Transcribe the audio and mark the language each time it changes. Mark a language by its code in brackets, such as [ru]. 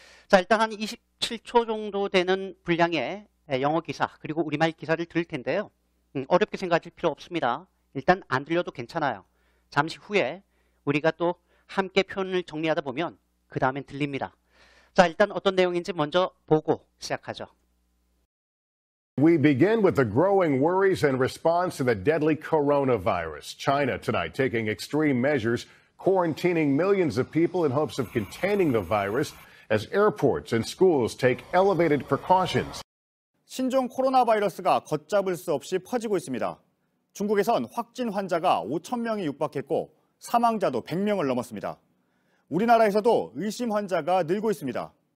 [ko] 자, 일단 한 27초 정도 되는 분량의 영어 기사, 그리고 우리말 기사를 들을 텐데요. 어렵게 생각하실 필요 없습니다. 일단 안 들려도 괜찮아요. 잠시 후에 우리가 또 함께 표현을 정리하다 보면 그 다음엔 들립니다. 자, 일단 어떤 내용인지 먼저 보고 시작하죠. [en] We begin with the growing worries in response to the deadly coronavirus. China tonight taking extreme measures, quarantining millions of people in hopes of containing the virus as airports and schools take elevated precautions. [ko] 신종 코로나 바이러스가 걷잡을 수 없이 퍼지고 있습니다. 중국에선 확진 환자가 5천 명이 육박했고 사망자도 100명을 넘었습니다. 우리나라에서도 의심 환자가 늘고 있습니다.